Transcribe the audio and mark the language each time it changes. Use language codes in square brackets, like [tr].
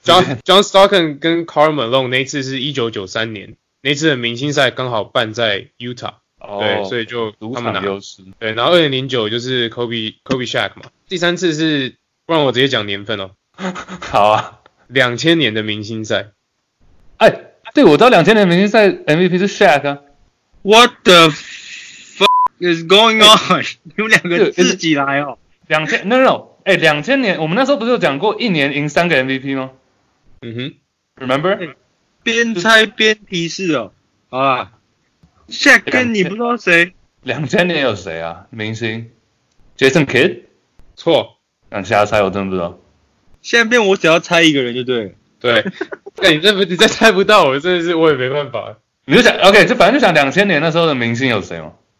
[zh] John Stockton 跟 Karl Malone 那次是1993年，那次的明星赛刚好办在 Utah，对，所以就他们拿主场优势。对，然后2009就是 Kobe Shaq 嘛。第三次是，不然我直接讲年份哦。好啊， 2000年的明星赛。哎，对，我知道2000年的明星赛 MVP 是 Shaq 啊。 [en] What the fuck is going on？ [zh] 你们两个自己来哦。 [en] No。 [zh] 哎，2000年，我们那时候不是有讲过一年赢三个 MVP 吗？嗯哼 [en] ，Remember？ [zh] 边猜边提示哦。好啦 ，Shaq 跟你不知道谁？ 2000年有谁啊？明星 ？Jason Kidd？错，那瞎猜，我真的不知道。现在变我只要猜一个人就对了。对，哎，你再猜不到我，真的是我也没办法。你就想 OK， 就反正就想2000年那时候的明星有谁吗